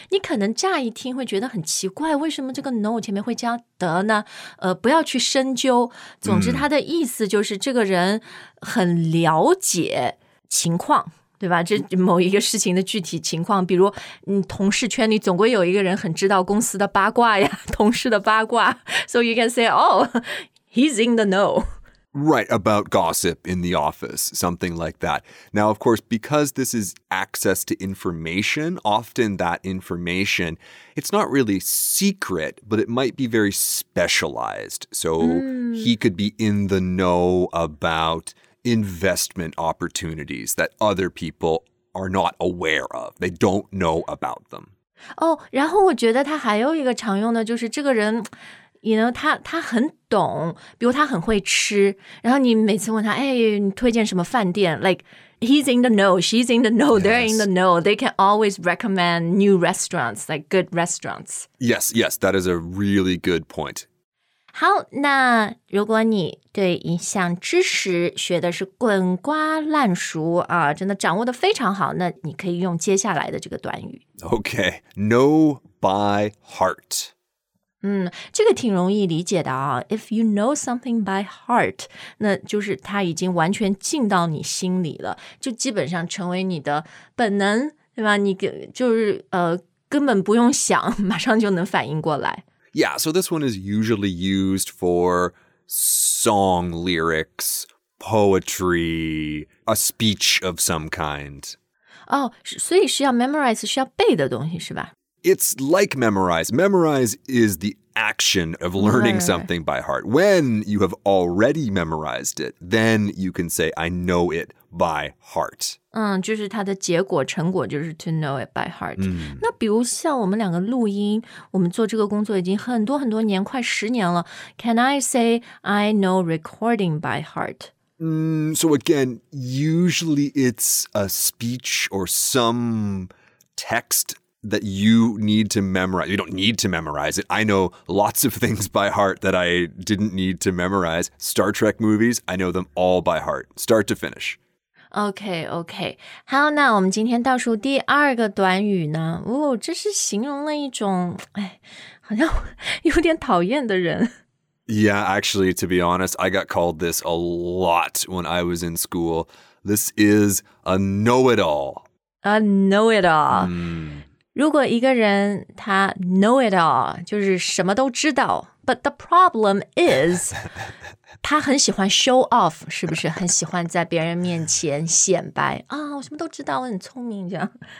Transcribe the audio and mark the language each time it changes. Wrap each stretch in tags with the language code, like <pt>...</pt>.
<zh>你可能乍一听会觉得很奇怪，为什么这个 know 前面会加的呢？不要去深究。总之，它的意思就是这个人很了解情况，对吧？这某一个事情的具体情况，比如你同事圈里总归有一个人很知道公司的八卦呀，同事的八卦。</zh> <en>So you can say, oh, he's in the know. Right, about gossip in the office, something like that. Now, of course, because this is access to information, often that information, it's not really secret, but it might be very specialized. So He could be in the know about investment opportunities that other people are not aware of. They don't know about them.</en> <zh>Oh, 然后我觉得他还有一个常用的就是这个人</zh> <en>You know,</en> <zh>他很懂,比如他很会吃,然后你每次问他,哎,你推荐什么饭店?</zh> <en>Like, he's in the know, she's in the know, yes. they're in the know. They can always recommend new restaurants, like good restaurants. Yes, yes, that is a really good point.</en> <zh>好,那如果你对一项知识学的是滚瓜烂熟啊,真的掌握得非常好,那你可以用接下来的这个短语。</zh> <en>Okay, know by heart.</en> <zh>这个挺容易理解的啊。</zh> <en>If you know something by heart,</en> <zh>那就是它已经完全进到你心里了，就基本上成为你的本能，对吧？你就是根本不用想，马上就能反应过来。</zh> <en>Yeah, so this one is usually used for song lyrics, poetry, a speech of some kind.</en> <zh>哦，所以是要 memorize, 是要背的东西，是吧？</zh> <en>It's like memorize. Memorize is the action of learning something by heart. When you have already memorized it, then you can say, I know it by heart.</en> <zh>就是它的结果成果就是 to know it by heart. 那比如像我们两个录音，我们做这个工作已经很多很多年，快十年了。</zh> <en>Can I say, I know recording by heart? So again, usually it's a speech or some text. That you need to memorize. You don't need to memorize it. I know lots of things by heart that I didn't need to memorize. Star Trek movies, I know them all by heart, start to finish. Okay, okay.</en> <zh>好，那我们今天倒数第二个短语呢？哦，这是形容了一种，哎，好像有点讨厌的人。</zh> <en>Yeah, actually, to be honest, I got called this a lot when I was in school. This is a know-it-all.</en> <zh>A know-it-all. 如果一个人他 know it all, 就是什么都知道</zh> <en>but the problem is,</en> <zh>他很喜欢 show off, 是不是很喜欢在别人面前显摆啊、oh, 我什么都知道我很聪明这样。</zh>